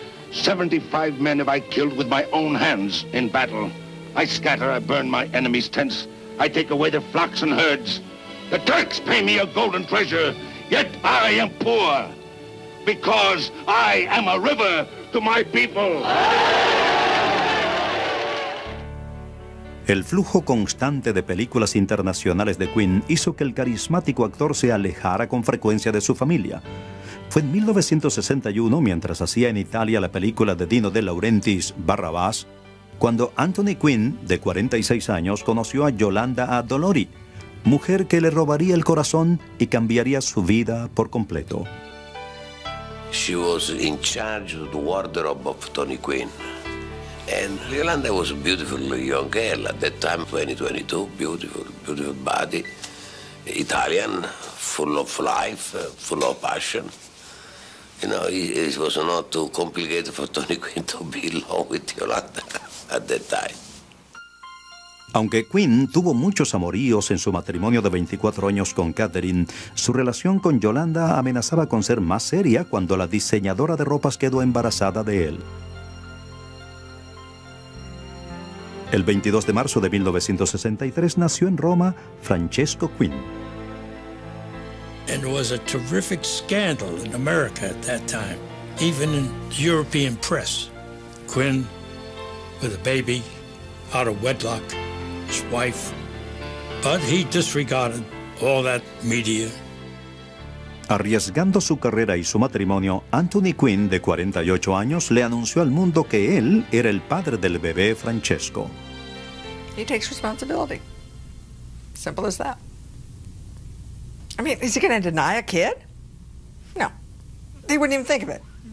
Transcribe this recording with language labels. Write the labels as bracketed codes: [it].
[en] 75 men have I killed with my own hands in battle. I scatter, I burn my enemies' tents. I take away their flocks and herds. The Turks pay me a golden treasure, yet I am poor, because I am a river to my people. [es] El flujo constante de películas internacionales de Quinn hizo que el carismático actor se alejara con frecuencia de su familia. Fue en 1961, mientras hacía en Italia la película de Dino De Laurentiis, Barrabás, cuando Anthony Quinn, de 46 años, conoció a Yolanda Addolori, mujer que le robaría el corazón y cambiaría su vida por completo. [en] She was in charge of the wardrobe of Tony Quinn. And Yolanda was a beautiful young girl at that time, 2022, beautiful, beautiful body, Italian, full of life, full of passion. You know, it was not too complicated for Tony Quinn to be in love with Yolanda. At that time. [es] Aunque Quinn tuvo muchos amoríos en su matrimonio de 24 años con Catherine, su relación con Yolanda amenazaba con ser más seria cuando la diseñadora de ropas quedó embarazada de él. El 22 de marzo de 1963 nació en Roma Francesco Quinn. [en] And it was a terrific scandal in America at that time, even in European press. Quinn with a baby, out of wedlock, his wife. But he disregarded all that media. [es] Arriesgando su carrera y su matrimonio, Anthony Quinn, de 48 años, le anunció al mundo que él era el padre del bebé Francesco. [en] He takes responsibility. Simple as that. I mean, is he going to deny a kid? No. He wouldn't even think of it.